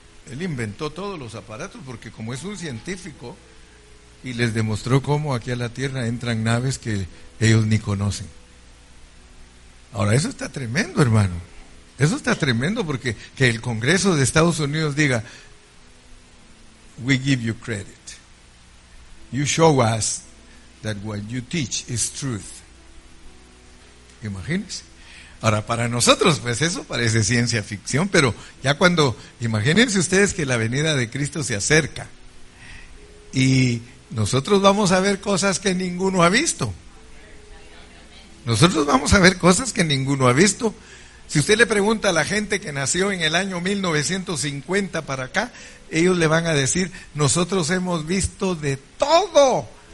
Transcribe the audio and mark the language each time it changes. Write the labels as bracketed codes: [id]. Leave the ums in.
[es] Él inventó todos los aparatos, porque como es un científico, y les demostró cómo aquí a la tierra entran naves que ellos ni conocen. Ahora, eso está tremendo, hermano. Eso está tremendo porque que el Congreso de Estados Unidos diga, [en] we give you credit. You show us that what you teach is truth. [es] Imagínense. Ahora, para nosotros, pues eso parece ciencia ficción, pero ya cuando, imagínense ustedes que la venida de Cristo se acerca y nosotros vamos a ver cosas que ninguno ha visto. Nosotros vamos a ver cosas que ninguno ha visto. Si usted le pregunta a la gente que nació en el año 1950 para acá, ellos le van a decir, nosotros hemos visto de todo.